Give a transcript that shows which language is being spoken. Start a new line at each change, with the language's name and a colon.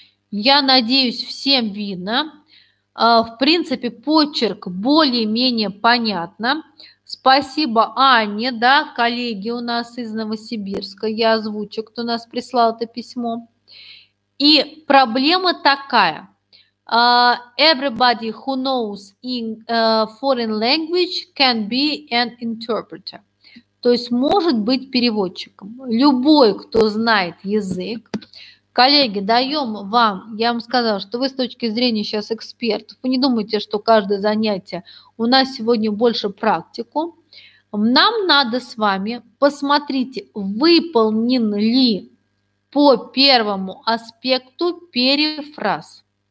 Russian: Я надеюсь, всем видно. В принципе, почерк более-менее понятно. Спасибо Анне, да, коллеге у нас из Новосибирска. Я озвучу, кто нас прислал это письмо. И проблема такая.
English: Everybody who knows in foreign language can be an interpreter.
Russian: То есть может быть переводчиком. Любой, кто знает язык. Коллеги, даем вам, я вам сказала, что вы с точки зрения сейчас экспертов, вы не думайте, что каждое занятие у нас сегодня больше практику. Нам надо с вами посмотрите, выполнен ли по первому аспекту перефраз.